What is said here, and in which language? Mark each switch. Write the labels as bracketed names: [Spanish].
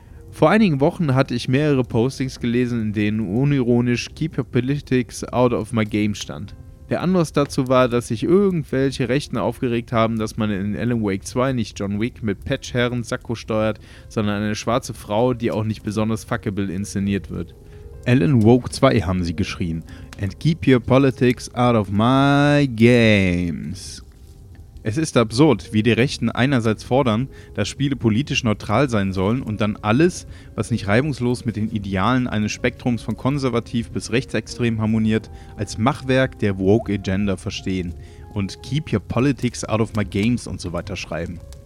[German] Vor einigen Wochen hatte ich mehrere Postings gelesen, in denen unironisch [English] Keep Your Politics Out of My Game [German] stand. Der Anlass dazu war, dass sich irgendwelche Rechten aufgeregt haben, dass man in Alan Wake 2 nicht John Wick mit Patchherren Sakko steuert, sondern eine schwarze Frau, die auch nicht besonders fuckable inszeniert wird. Alan Wake 2 haben sie geschrien. [English] And keep your politics out of my games. [German] Es ist absurd, wie die Rechten einerseits fordern, dass Spiele politisch neutral sein sollen und dann alles, was nicht reibungslos mit den Idealen eines Spektrums von konservativ bis rechtsextrem harmoniert, als Machwerk der Woke Agenda verstehen und [English] Keep Your Politics Out of My Games [German] und so weiter schreiben.